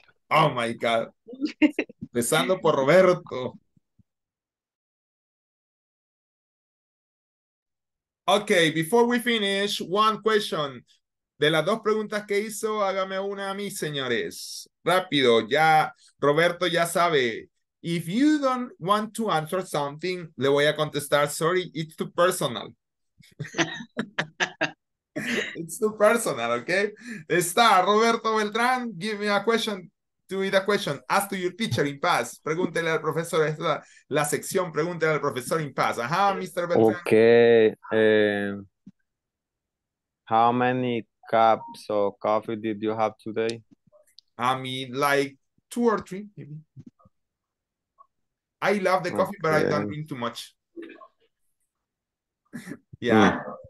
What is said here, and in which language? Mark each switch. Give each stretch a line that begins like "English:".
English: Oh my God.
Spanish: Empezando por Roberto.
English: Okay, before we finish, one question.
Spanish: De las dos preguntas que hizo, hágame una a mí, señores. Rápido, ya Roberto ya sabe.
English: If you don't want to answer something,
Spanish: le voy a contestar,
English: sorry, it's too personal. It's too personal, okay? Está Roberto Beltrán, give me a question, do it a question. Ask to your teacher in pass.
Spanish: Pregúntele al profesor, es la sección, pregúntele al profesor
English: in pass.
Spanish: Ajá, Mr. Beltrán.
English: Okay. How many cups of coffee did you have today? I mean, like two or three, maybe. I love the coffee, okay. But I don't drink too much. Yeah.